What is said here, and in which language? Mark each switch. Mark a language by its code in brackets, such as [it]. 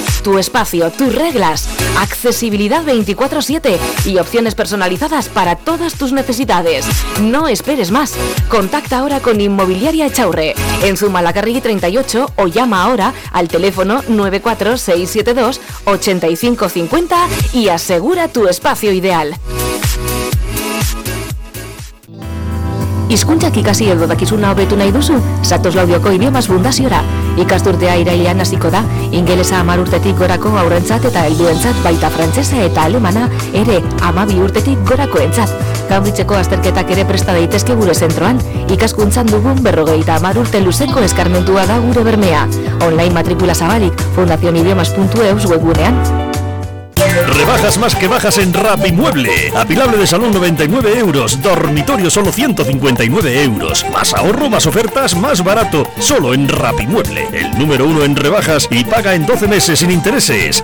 [es] Tu espacio, tus reglas, accesibilidad 24/7 y opciones personalizadas para todas tus necesidades. No esperes más. Contacta ahora con Inmobiliaria Echaurre en Zumalacárregui 38 o llama ahora al teléfono 94672-8550 y asegura tu espacio ideal. [eu] Hizkuntzak ikasi edo dakizuna hobetu nahi duzu? Zatoz Laudioko Idiomas Fundaziora. Ikasturtea irailean hasiko da, ingelesa 10 urtetik gorako haurrentzat eta helduentzat, baita frantsesa eta alemana ere 12 urtetik gorakoentzat. Cambridgeko azterketak ere presta daitezke gure zentroan. Ikaskuntzan dugun 50 urte luzeko eskarmentua da gure bermea. Online matrikula zabalik, fundacionidiomas.eu webunean. [es] Rebajas más que bajas en Rapimueble. Apilable de salón 99 euros. Dormitorio solo 159 euros. Más ahorro, más ofertas, más barato. Solo en Rapimueble. El número uno en rebajas y paga en 12 meses sin intereses.